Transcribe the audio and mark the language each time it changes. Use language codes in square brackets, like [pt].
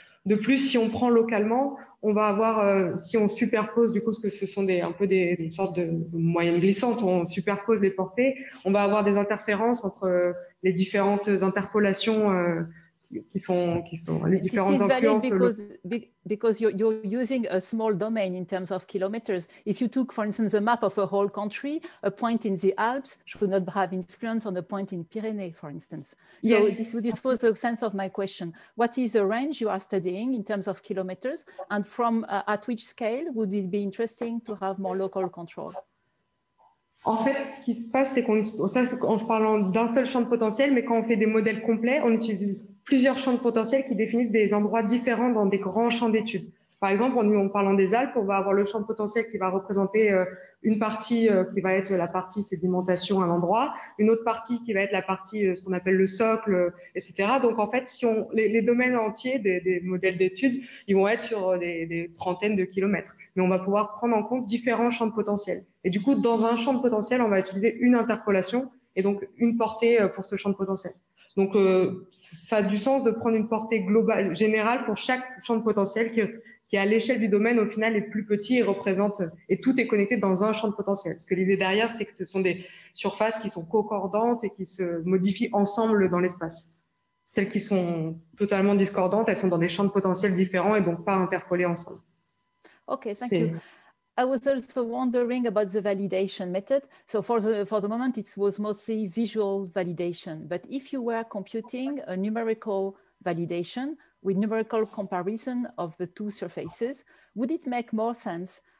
[fr] De plus, si on prend localement, on va avoir, si on superpose, du coup, ce que ce sont des sortes de moyennes glissantes, on superpose les portées, on va avoir des interférences entre les différentes interpolations qui sont les différentes influences. [en] Because you're using a small domain in terms of kilometers. If you took, for instance, a map of a whole country, a point in the Alps should not have influence on a point in Pyrenees, for instance. Yes. So this was the sense of my question. What is the range you are studying in terms of kilometers, and from at which scale would it be interesting to have more local control? [fr] En fait, ce qui se passe, c'est en parlant d'un seul champ de potentiel, mais quand on fait des modèles complets, on utilise plusieurs champs de potentiel qui définissent des endroits différents dans des grands champs d'études. Par exemple, en parlant des Alpes, on va avoir le champ de potentiel qui va représenter une partie qui va être la partie sédimentation à l'endroit, une autre partie qui va être la partie ce qu'on appelle le socle, etc. Donc en fait, si on les domaines entiers des modèles d'études, ils vont être sur des trentaines de kilomètres. Mais on va pouvoir prendre en compte différents champs de potentiel. Et du coup, dans un champ de potentiel, on va utiliser une interpolation et donc une portée pour ce champ de potentiel. Donc, ça a du sens de prendre une portée globale, générale pour chaque champ de potentiel qui, à l'échelle du domaine, au final, est plus petit et représente, et tout est connecté dans un champ de potentiel. Parce que l'idée derrière, c'est que ce sont des surfaces qui sont concordantes et qui se modifient ensemble dans l'espace. Celles qui sont totalement discordantes, elles sont dans des champs de potentiel différents et donc pas interpolées ensemble. [en] OK, thank you. I was also wondering about the validation method. So for the moment, it was mostly visual validation. But if you were computing a numerical validation with numerical comparison of the two surfaces, would it make more sense